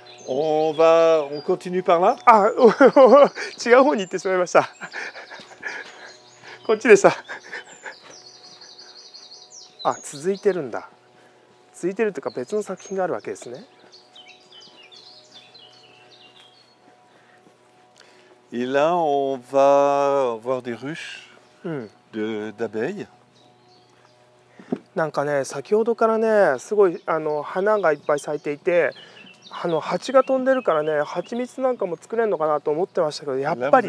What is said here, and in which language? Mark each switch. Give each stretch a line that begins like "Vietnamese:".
French: On va, on continue par là?
Japanese: Ah, 違う方に行ってしまいました。こっちでした。あ、続いてるんだ。続いてるというか別の作品があるわけですね。
French: Et là, on va voir des ruches de, d'abeilles.
Japanese: なんかね、先ほどからね、すごい花がいっぱい咲いていて、蜂が飛んでるからね、蜂蜜なんかも作れるのかなと思ってましたけど、やっぱり。